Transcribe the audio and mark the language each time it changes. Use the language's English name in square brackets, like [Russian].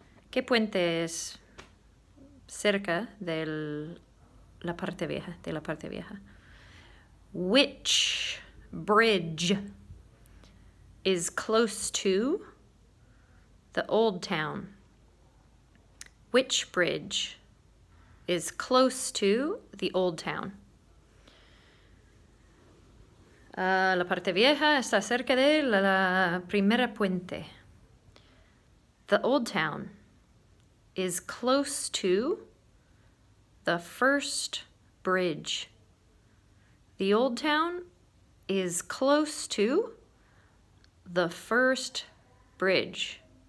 [Spanish] ¿Qué puente es cerca de la parte vieja? De la parte vieja. [English] Which bridge is close to the old town? Which bridge is close to the old town? [Spanish] La parte vieja está cerca de la primera puente. [English] The old town is close to the first bridge. The old town is close to the first bridge.